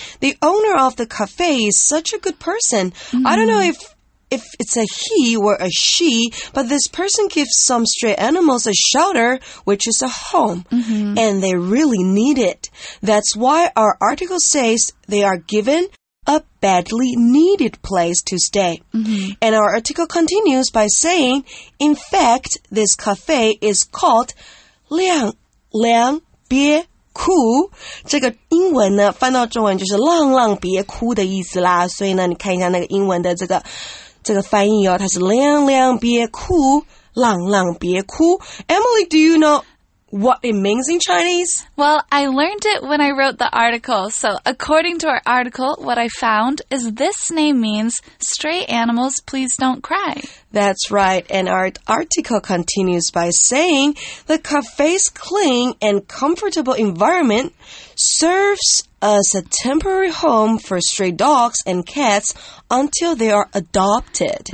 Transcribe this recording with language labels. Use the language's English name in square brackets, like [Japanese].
[English] The owner of the cafe is such a good person. I don't know if it's a he or a she, but this person gives some stray animals a shelter, which is a home, and they really need it. That's why our article says they are given... A badly needed place to stay. And our article continues by saying, in fact, this cafe is called 凉别哭。 [Chinese] 这个英文呢翻到中文就是浪浪别哭的意思啦。所以呢你看一下那个英文的这个翻译哦，它是凉凉别哭，浪浪别哭。 [English] Emily, do you know... What it means in Chinese? Well, I learned it when I wrote the article. So according to our article, what I found is this name means stray animals, please don't cry. That's right. And our article continues by saying the cafe's clean and comfortable environment serves as a temporary home for stray dogs and cats until they are adopted.